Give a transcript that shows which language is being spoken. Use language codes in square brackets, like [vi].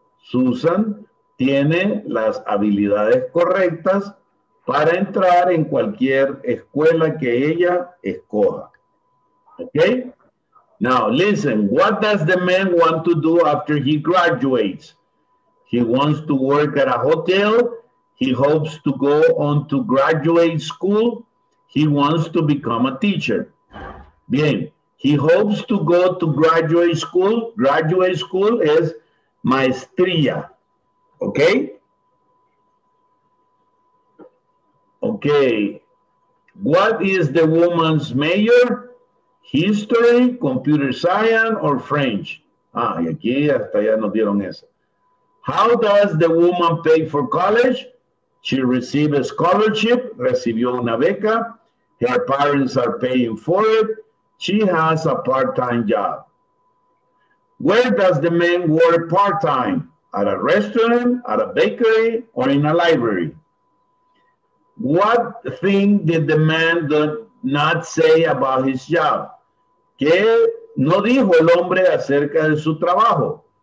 [es] Susan tiene las habilidades correctas para entrar en cualquier escuela que ella escoja. [en] Okay? Now, listen, what does the man want to do after he graduates? He wants to work at a hotel. He hopes to go on to graduate school. He wants to become a teacher. Bien, he hopes to go to graduate school. Graduate school is maestría, okay? Okay, what is the woman's major? History, computer science, or French? [es] Ah, y aquí hasta ya nos dieron eso. [en] How does the woman pay for college? She received a scholarship, [es] recibió una beca. [en] Her parents are paying for it. She has a part-time job. Where does the man work part-time? At a restaurant, at a bakery, or in a library? What thing did the man not say about his job? [es] ¿Qué no dijo el hombre acerca de su trabajo?